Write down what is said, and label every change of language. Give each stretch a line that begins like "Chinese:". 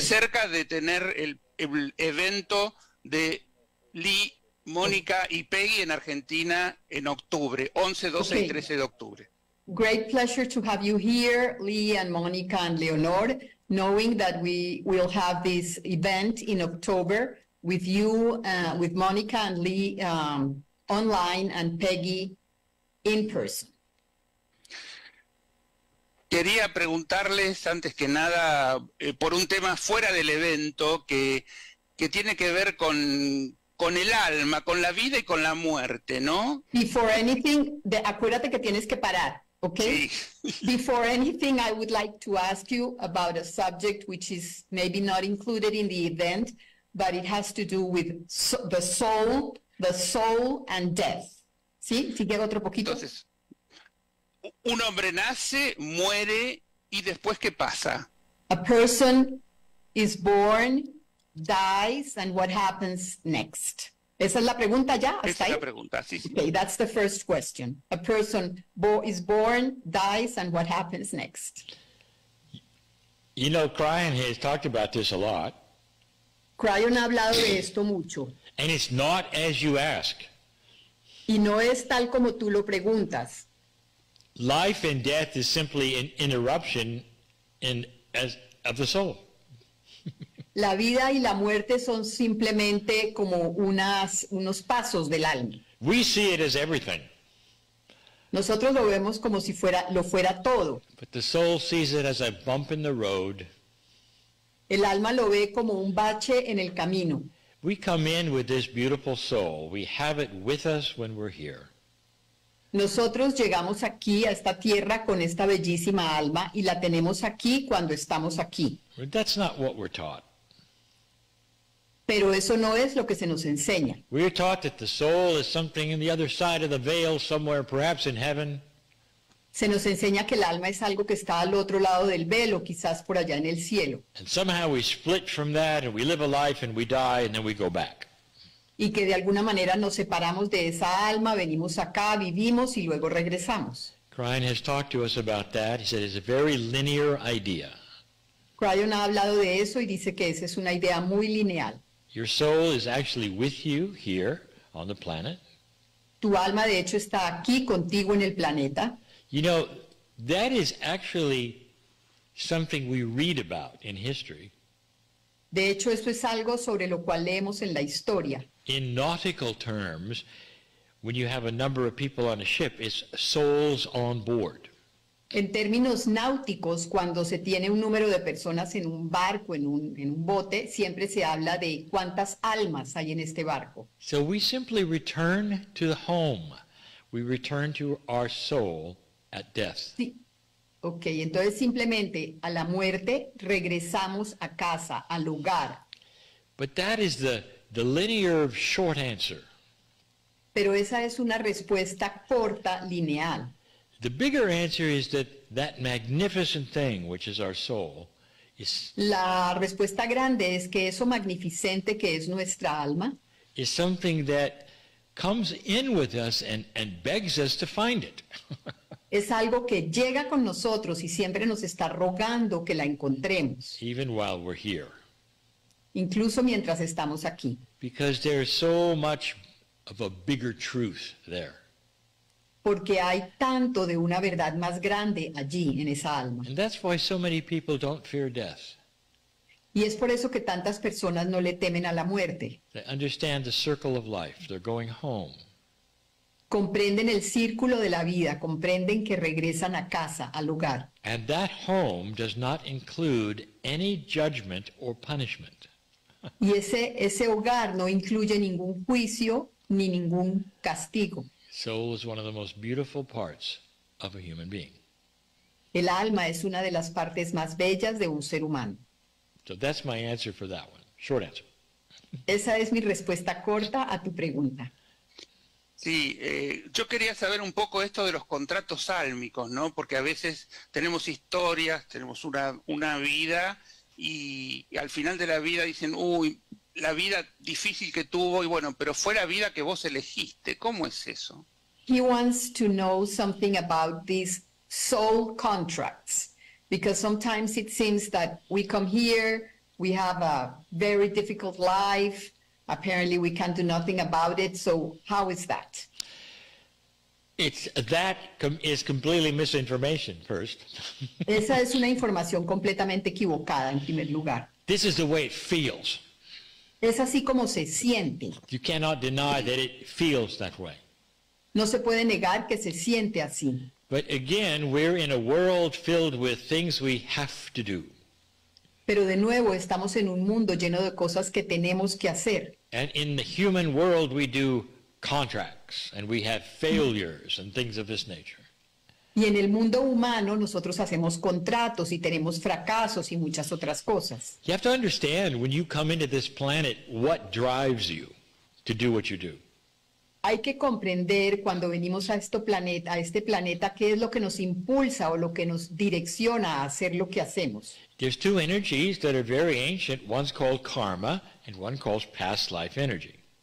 Spanish: Cerca de tener el evento de Lee, Mónica y Peggy en Argentina en octubre, 11, 12 y 13 de octubre.
English: Great pleasure to have you here, Lee and Mónica and Leonor, knowing that we will have this event in October with you, with Mónica and Lee online and Peggy in person.
Spanish: Quería preguntarles antes que nada por un tema fuera del evento que tiene que ver con el alma, con la vida y con la muerte, ¿no?
English: Before anything,
Spanish: acuérdate que tienes que parar, ¿okay? Sí.
English: Before anything, I would like to ask you about a subject which is maybe not included in the event, but it has to do with the soul and death.
Spanish: ¿Sí? ¿Sigue otro poquito? Entonces, un hombre nace, muere, ¿y después qué pasa?
English: A person is born, dies, and what happens next?
Spanish: ¿Esa es la pregunta ya? Esa es la pregunta, sí, sí.
English: Okay, that's the first question. A person is born, dies, and what happens next? You know, Cryon has talked about this a lot.
Spanish: Cryon ha hablado de esto mucho.
English: And it's not as you ask.
Spanish: Y no es tal como tú lo preguntas.
English: Life and death is simply an interruption of the soul.
Spanish: La vida y la muerte son simplemente como unos pasos del alma.
English: We see it as everything.
Spanish: Nosotros lo vemos como si fuera todo.
English: But the soul sees it as a bump in the road.
Spanish: El alma lo ve como un bache en el camino.
English: We come in with this beautiful soul. We have it with us when we're here.
Spanish: Nosotros llegamos aquí a esta tierra con esta bellísima alma y la tenemos aquí cuando estamos aquí.
English: But that's not what we're taught.
Spanish: Pero eso no es lo que se nos enseña.
English: We're taught that the soul is something in the other side of the veil somewhere, perhaps in heaven.
Spanish: Se nos enseña que el alma es algo que está al otro lado del velo, quizás por allá en el cielo.
English: And somehow we split from that and we live a life and we die and then we go back.
Spanish: Y que de alguna manera nos separamos de esa alma, venimos acá, vivimos y luego regresamos.
English: Cryon has talked to us about that. He said it's a very linear idea.
Spanish: Cryon ha hablado de eso y dice que esa es una idea muy lineal.
English: Your soul is actually with you here on the planet.
Spanish: Tu alma de hecho está aquí contigo en el planeta.
English: You know, that is actually something we read about in history.
Spanish: De hecho, esto es algo sobre lo cual leemos en la historia.
English: In nautical terms, when you have a number of people on a ship, it's souls on board.
Spanish: En términos náuticos, cuando se tiene un número de personas en un barco, en un bote, siempre se habla de cuántas almas hay en este barco.
English: So we simply return to the home. We return to our soul at death.
Spanish: Sí. Okay, entonces simplemente a la muerte regresamos a casa, al hogar.
English: But that is the linear short answer.
Spanish: Pero esa es una respuesta corta, lineal.
English: The bigger answer is that magnificent thing, which is our soul, is...
Spanish: La respuesta grande es que eso magnificente que es nuestra alma...
English: is something that comes in with us and begs us to find it.
Spanish: Es algo que llega con nosotros y siempre nos está rogando que la encontremos.
English: Even while we're here.
Spanish: Incluso mientras estamos aquí.
English: Because there's so much of a bigger truth there.
Spanish: Porque hay tanto de una verdad más grande allí en esa alma.
English: And that's why so many people don't fear death.
Spanish: Y es por eso que tantas personas no le temen a la muerte.
English: They understand the circle of life. They're going home.
Spanish: Comprenden el círculo de la vida, comprenden que regresan a casa, al hogar.
English: And that home does not include any judgment or punishment.
Spanish: Y ese hogar no incluye ningún juicio ni ningún castigo.
English: Soul is one of the most beautiful parts of a human being.
Spanish: El alma es una de las partes más bellas de un ser humano.
English: So that's my answer for that one. Short answer.
Spanish: Esa es mi respuesta corta a tu pregunta. Sí, yo quería saber un poco esto de los contratos sálmicos, ¿no? Porque a veces tenemos historias, tenemos una vida y al final de la vida dicen, uy, la vida difícil que tuvo, y bueno, pero fue la vida que vos elegiste. ¿Cómo es eso?
English: He wants to know something about these soul contracts, because sometimes it seems that we come here, we have a very difficult life, apparently we can do nothing about it. So how is that? That is completely misinformation, first.
Spanish: Esa es una información completamente equivocada, en primer lugar.
English: This is the way it feels.
Spanish: Es así como se siente.
English: You cannot deny that it feels that way.
Spanish: No se puede negar que se siente así.
English: But again, we're in a world filled with things we have to do.
Spanish: Pero de nuevo, estamos en un mundo lleno de cosas que tenemos que hacer.
English: And in the human world, we do contracts, and we have failures and things of this nature.
Spanish: Y en el mundo humano, nosotros hacemos contratos y tenemos fracasos y muchas otras cosas.
English: You have to understand, when you come into this planet, what drives you to do what you do.
Spanish: Hay que comprender cuando venimos a este planeta, qué es lo que nos impulsa o lo que nos direcciona a hacer lo que hacemos.
English: There's two energies that are very ancient. One's called karma, and one called past life energy.